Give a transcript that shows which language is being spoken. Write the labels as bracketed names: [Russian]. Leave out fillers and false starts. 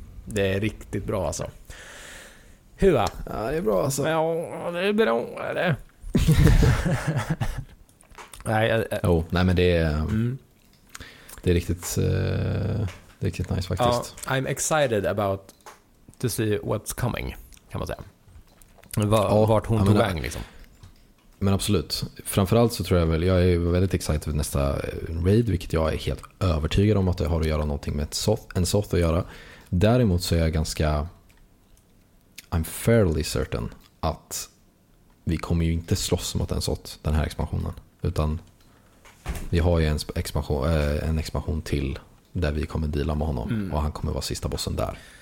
[Swedish] Det är riktigt bra alltså. Hur va? Ja, det är bra alltså. Ja, det är bra är det. Nej men det är det är riktigt riktigt nice faktiskt. [English] I'm excited about to see what's coming, [Swedish] kan man säga. Vart hon tog vägen liksom. Men absolut. Framförallt så tror jag väl, jag är väldigt excited för nästa raid, vilket jag är helt övertygad om att det har att göra någonting med en Soth att göra. Däremot så är jag ganska, [English] I'm fairly certain [Swedish] att vi kommer ju inte slåss mot en Soth den här expansionen, utan vi har ju en expansion till där vi kommer deala med honom och han kommer vara sista bossen där.